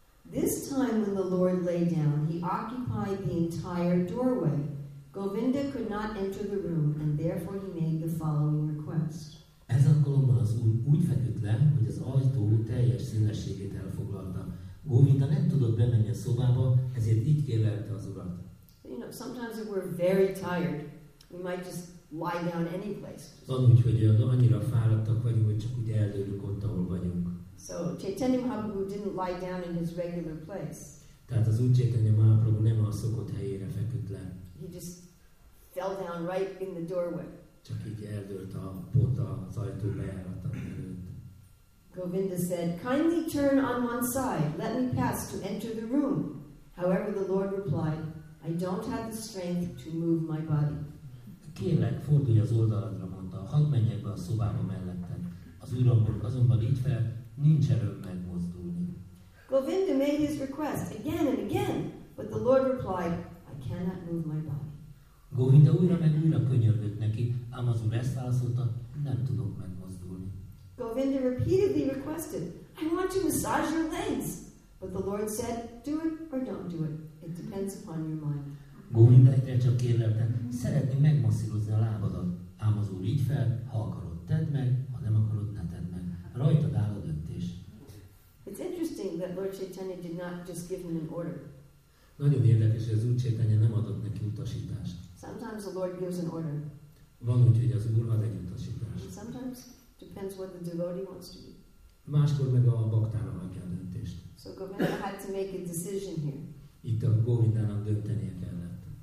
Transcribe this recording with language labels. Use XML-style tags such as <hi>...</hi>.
<en>This time when the Lord lay down, he occupied the entire doorway. Govinda could not enter the room, and therefore he made the following request.</en> <hu>Ez alkalommal az úr úgy feküdt le, hogy az ajtó teljes szélességét elfoglalta. Govinda nem tudott bemenni a szobába, ezért így kérlelte az urat.</hu> <en>You know, sometimes if we're very tired, we might just lie down any place.</en> <hu>Van úgy, hogy annyira fáradtak vagyunk, hogy csak úgy eldőlünk ott, ahol vagyunk.</hu> <en>So Chaitanya Mahaprabhu didn't lie down in his regular place.</en> <hu>Tehát az úr Chaitanya Mahaprabhu nem a szokott helyére feküdt le.</hu> <en>He just fell down right in the doorway.</en> <hu>Csak így eldőlt a pont az ajtó bejáratán előtt.</hu> <en>Govinda said, "Kindly turn on one side. Let me pass to enter the room." However, the Lord replied, "I don't have the strength to move my body."</en> <hu>Kérlek, fordulj az oldaladra, mondta. Hadd menjek be a szobába mellette. Az úrambor azonban így fel, nincs erőm megmozdulni.</hu> <en>Govinda made his request again and again, but the Lord replied, "I cannot move my body."</en> <hu>Govinda újra meg újra könyörgött neki, ám az úr ezt válaszolta, nem tudok megmozdulni.</hu> <en>Govinda repeatedly requested, "I want to massage your legs." But the Lord said, "Do it or don't do it. It depends upon your mind."</en> <hu>Govinda egyre csak kérlelte, szeretném megmasszírozni a lábadat. Ám az úr így fel, ha akarod, tedd meg, ha nem akarod, ne tedd meg. Rajtad áll a döntés.</hu> <en>It's interesting that Lord Chaitanya did not just give him an order.</en> <hu>Nagyon érdekes, hogy az úr Chaitanya nem adott neki utasítást.</hu> <en>Sometimes the Lord gives an order.</en> <hu>Van úgy, hogy az úr ad egy utasítást.</hu> <en>Sometimes depends what the devotee wants to do.</en> <hu>Máskor meg a baktának adja a döntést.</hu> <en>So Govinda had to make a decision here.</en> <hu>Itt a Govindának döntenie kellett.</hu>